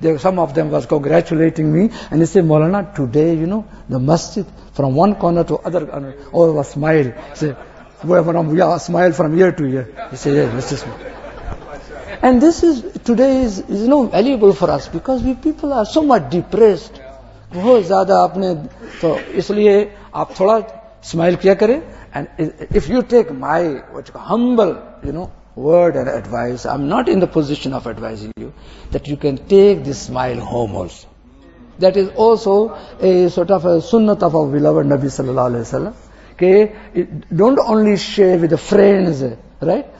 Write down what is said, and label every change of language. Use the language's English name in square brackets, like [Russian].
[English] Some of them was congratulating me. And they said, Maulana, today, you know, the masjid, from one corner to other corner, all of us smile. Say, we are smile from ear to ear. He said, yes, Mr. Smith. And this is, today is no valuable for us because we people are so much depressed. [Hindi] बहुत ज़्यादा आपने तो इसलिए आप थोड़ा smile किया करें. [English] And if you take my humble, word and advice, I'm not in the position of advising you, that you can take this smile home also. That is also a sort of a sunnah of our beloved Nabi sallallahu alayhi wa sallam. Okay, don't only share with the friends, right?